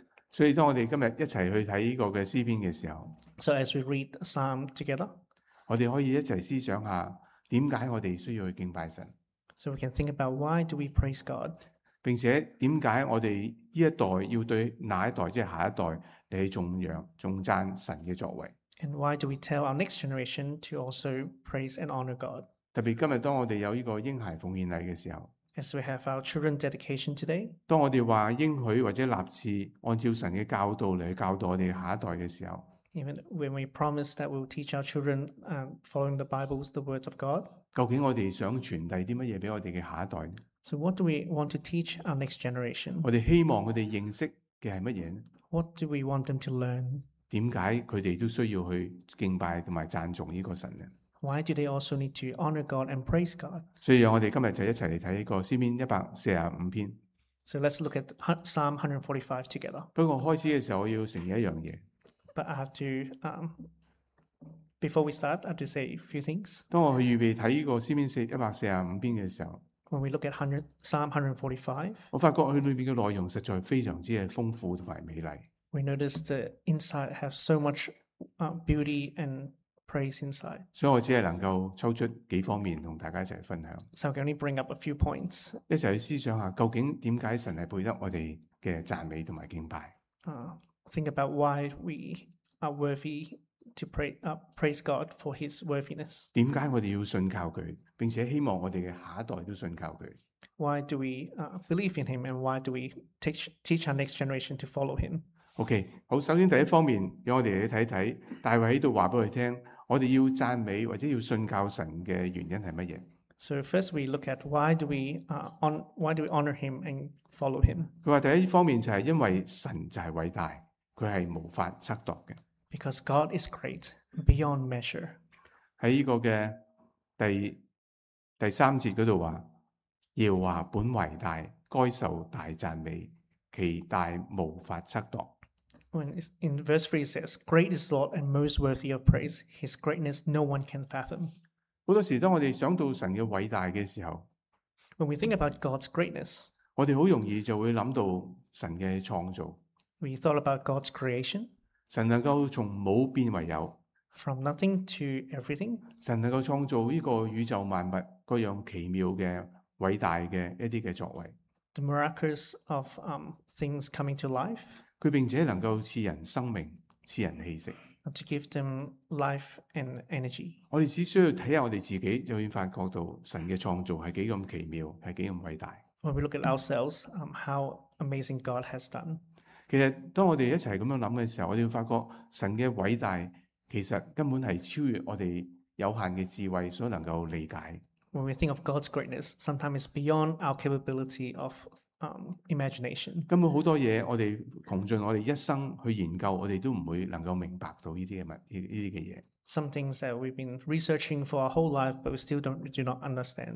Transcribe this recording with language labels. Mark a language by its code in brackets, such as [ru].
[zh] 所以当我们今天一起去看这个诗篇的时候， [en] So as we read Psalm together, [zh] 我们可以一起思想一下为什么我们需要去敬拜神。 [en] So we can think about why do we praise God? [zh] 并且为什么我们这一代要对那一代，即是下一代来颂扬、颂赞神的作为。 [en] And why do we tell our next generation to also praise and honor God? [zh] 特别今天当我们有这个婴孩奉献礼的时候， [en] As we have our children dedication today, [zh] 当我们说应许或者立志按照神的教导来教导我们下一代的时候， [en] Even when we promise that we'll teach our children following the Bible, the words of God, [zh] 究竟我们想传递什么给我们的下一代呢？ [en] So what do we want to teach our next generation? [zh] 我们希望他们认识的是什么呢？ [en] What do we want them to learn? [zh] 为什么他们都需要去敬拜和赞颂这个神呢？ [en] Why do they also need to honor God and praise God? [zh] 所以让我们今天就一起来看这个诗篇145篇。 [en] So let's look at Psalm 145 together. [zh] 不过开始的时候我要承认一件事。 [en] But I have to, before we start, I have to say a few things. [zh] 当我去预备看这个诗篇145篇的时候， [en] When we look at Psalm 145, [zh] 我发觉它里面的内容实在非常丰富和美丽。 [en] We notice the inside has so much beauty and praise inside. [zh] 所以我只能够抽出几方面和大家一起分享。 [en] So I can only bring up a few points. [zh] 一起去思想下究竟为什么神是配得我们的赞美和敬拜。 [en] Think about why we are worthy to praise God for his worthiness. [zh] 为什么我们要信靠他，并且希望我们的下一代都信靠他。 [en] Why do we believe in him and why do we teach our next generation to follow him? [zh] OK， 好，首先第一方面，让我们来看看大卫在这里告诉我们，我们要赞美或者要信靠神的原因是什么。 [en] So first we look at why do we honor him and follow him. [zh] 他说第一方面就是因为神就是伟大，他是无法测度的。 [en] Because God is great beyond measure. [zh] 在这个第三节那里说，耶和华本伟大，该受大赞美，其大无法测度。 [en] When in verse 3 it says, Great is the Lord and most worthy of praise. His greatness no one can fathom. [zh] 很多时候当我们想到神的伟大的时候， [en] When we think about God's greatness, [zh] 我们很容易就会想到神的创造。 [en] We thought about God's creation. [zh] 神能够从无变为有。 [en] From nothing to everything. [zh] 神能够创造这个宇宙万物各样奇妙的伟大的一些的作为。 [en] The miracles of things coming to life. [zh] 他并且能够赐人生命、赐人气息。 [en] To give them life and energy. [zh] 我们只需要看看我们自己，就会发觉到神的创造是多么奇妙，是多么伟大。 [en] When we look at ourselves, how amazing God has done. [zh] 其实当我们一起这样想的时候，我们会发觉神的伟大其实根本是超越我们有限的智慧所能够理解。 [en] When we think of God's greatness, sometimes it's beyond our capability of imagination. [zh] 根本很多东西我们穷尽我们一生去研究，我们都不会能够明白到这些东西。 [en] Some things that we've been researching for our whole life, but we still do not understand.